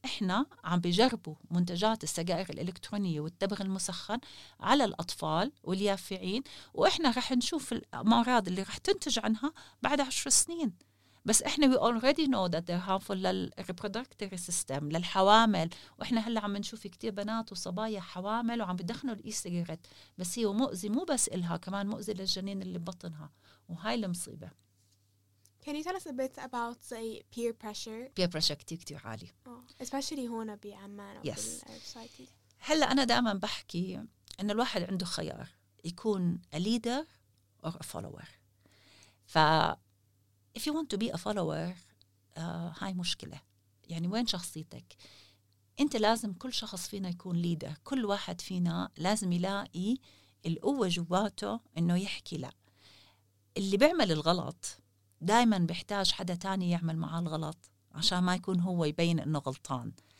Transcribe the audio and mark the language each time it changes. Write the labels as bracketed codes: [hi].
[ar] إحنا عم بجربوا منتجات السجائر الإلكترونية والتبغ المسخن على الأطفال واليافعين وإحنا رح نشوف الأمراض اللي رح تنتج عنها بعد 10 سنين. بس إحنا [en] we already know that they're harmful [ar] للreproductive system للحوامل وإحنا هلأ عم نشوف كتير بنات وصبايا حوامل وعم بدخنوا الإيسيغرت بس هي مؤذي مو بس إلها كمان مؤذي للجنين اللي ببطنها وهاي المصيبة. [en] Can you tell us a bit about, say, peer pressure? [ar] Peer pressure كتير كتير عالي. [en] Oh, especially [ar] هنا بعمان. [en] Yes. [ar] هلأ أنا دائماً بحكي أن الواحد عنده خيار يكون [en] a leader or a follower. ف if you want to be a follower, [ar] هاي مشكلة. يعني وين شخصيتك؟ أنت لازم كل شخص فينا يكون leader. كل واحد فينا لازم يلاقي القوة جواته أنه يحكي لا. اللي بعمل الغلط دايماً بيحتاج حدا تاني يعمل معاه الغلط عشان ما يكون هو يبين أنه غلطان.